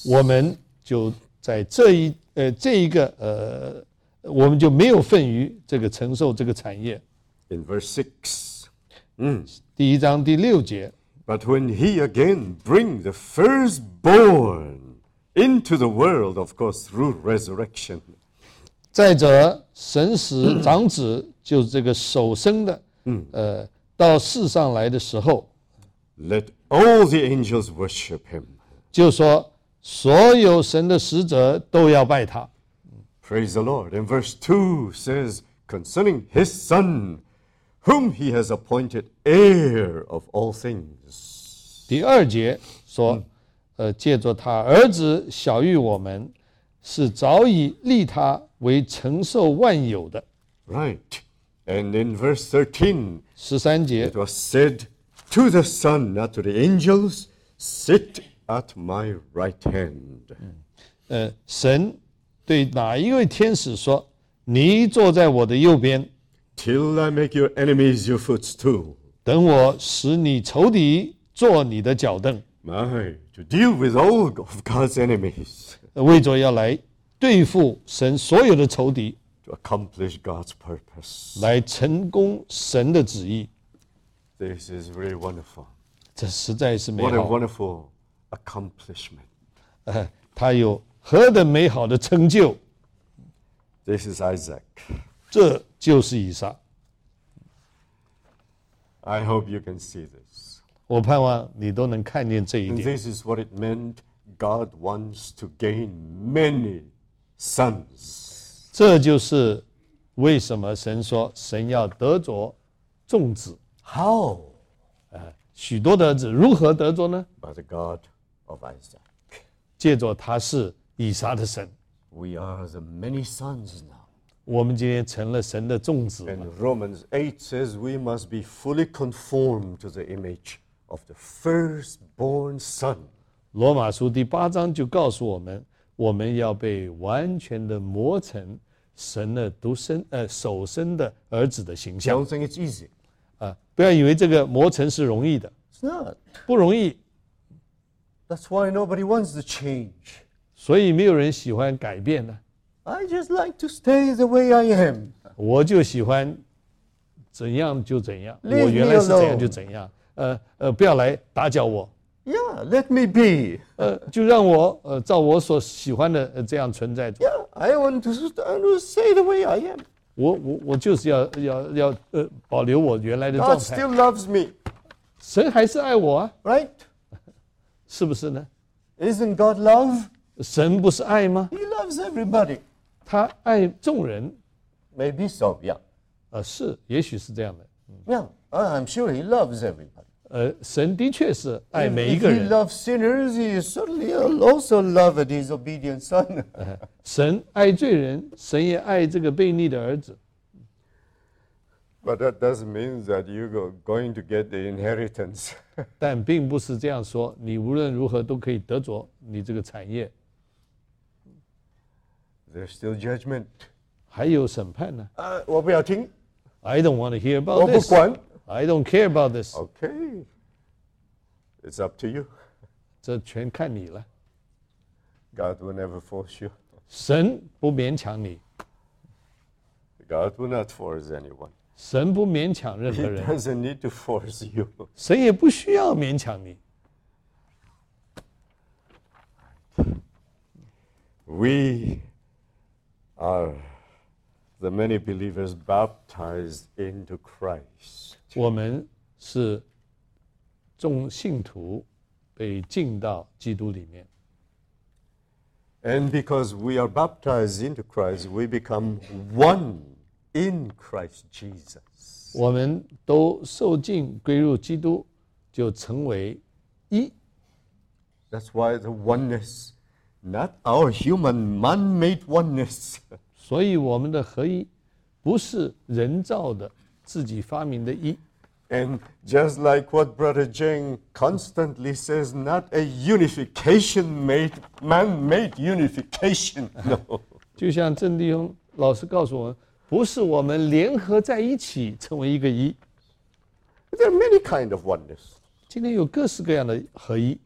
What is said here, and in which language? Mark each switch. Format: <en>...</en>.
<zh>我们就在这一这一个我们就没有份于这个承受这个产业。</zh> <en>In verse 6,</en> <zh>第一章第六节。</zh> <en>But when he again bring the firstborn into the world, of course, through resurrection.</en> <zh>再者，神使长子就是这个首生的，到世上来的时候。</zh> <en>Let all the angels worship him.</en> <zh>就说所有神的使者都要拜他。</zh> <en>Praise the Lord. And verse 2 says, concerning his son, whom he has appointed heir of all things.</en> <zh>第二节说，借着他儿子晓谕我们，是早已立他为承受万有的。</zh> <en>Right. And in verse 13,</en> <zh>十三节，</zh> <en>it was said to the son, not to the angels, sit at my right hand.</en> <zh>神对哪一位天使说，你坐在我的右边。</zh> <en>Till I make your enemies your footstool.</en> <zh>等我使你仇敌坐你的脚凳。</zh> <en>My, to deal with all of God's enemies.</en> <zh>为着要来对付神所有的仇敌。</zh> <en>To accomplish God's purpose.</en> <zh>来成功神的旨意。</zh> <en>This is very wonderful.</en> <zh>这实在是美好。</zh> <en>What a wonderful accomplishment.</en> <zh>他有何等美好的成就。</zh> <en>This is Isaac.</en> <zh>这就是以撒。</zh> <en>I hope you can see this.</en> <zh>我盼望你都能看见这一点。</zh> <en>And this is what it meant. God wants to gain many sons.</en> <zh>这就是为什么神说神要得着众子。</zh> <en>How?</en> <zh>许多的儿子如何得着呢？</zh> <en>By the God of Isaac.</en> <zh>借着他是以撒的神。</zh> <en>We are the many sons now.</en> <zh>我们今天成了神的众子。</zh> <en>And Romans 8 says we must be fully conformed to the image of the firstborn son.</en> <zh>罗马书第八章就告诉我们，我们要被完全的磨成神的独生首生的儿子的形象。</zh> <en>Don't think it's easy.</en> <zh>不要以为这个磨成是容易的。</zh> <en>It's not.</en> <zh>不容易。</zh> <en>That's why nobody wants to change.</en> <zh>所以没有人喜欢改变呢。</zh> <en>I just like to stay the way I am.</en> <zh>我就喜欢怎样就怎样。我原来是怎样就怎样。不要来打搅我。</zh> <en>Yeah, let me be.</en> <zh>就让我照我所喜欢的这样存在着。</zh> <en>Yeah, I want to stay the way I am.</en> <zh>我就是要保留我原来的状态。</zh> <en>God still loves me.</en> <zh>神还是爱我啊。</zh> <en>Right?</en> <zh>是不是呢？</zh> <en>Isn't God love?</en> <zh>神不是爱吗？</zh> <en>He loves everybody.</en> <zh>他爱众人。</zh> <en>Maybe so, yeah.</en> <zh>是，也许是这样的。</zh> <en>Yeah, I'm sure he loves everybody.</en> <zh>神的确是爱每一个人。</zh> <en>If he loves sinners, he certainly also loved his obedient son.</en> <zh>神爱罪人，神也爱这个悖逆的儿子。</zh> <en>But that doesn't mean that you're going to get the inheritance.</en> <zh>但并不是这样说，你无论如何都可以得着你这个产业。</zh> <en>There's still judgment.</en> <zh>还有审判呢。我不要听。</zh> <en>I don't want to hear about this.</en> <zh>我不管。</zh> <en>I don't care about this. Okay. It's up to you.</en> <zh>这全看你了。</zh> <en>God will never force you.</en> <zh>神不勉强你。</zh> <en>God will not force anyone.</en> <zh>神不勉强任何人。</zh> <en>He doesn't need to force you.</en> <zh>神也不需要勉强你。</zh> <en>We are the many believers baptized into Christ.</en> <zh>我们是众信徒被浸到基督里面。</zh> <en>And because we are baptized into Christ, we become one in Christ Jesus.</en> <zh>我们都受浸归入基督，就成为一。</zh> <en>That's why the oneness not our human man-made oneness.</en> <zh>所以我们的合一不是人造的自己发明的一。</zh> <en>And just like what Brother Jane constantly says, not a unification made, man-made unification. No.</en> <zh>就像郑弟兄老师告诉我们，不是我们联合在一起成为一个一。</zh> <en>There are many kinds of oneness.</en> <zh>今天有各式各样的合一。</zh>